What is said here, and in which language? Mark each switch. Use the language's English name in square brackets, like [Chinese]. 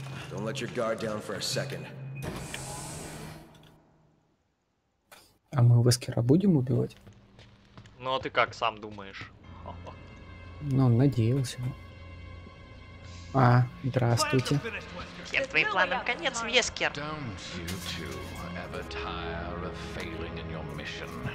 [English] Don't let your guard down for a second. [Russian] А мы Вескера будем убивать? Ну а ты как сам думаешь? Ну, надеялся. А, здравствуйте. Всем твоим планам конец, Вескер. [English] Don't you two ever tire of failing in your mission?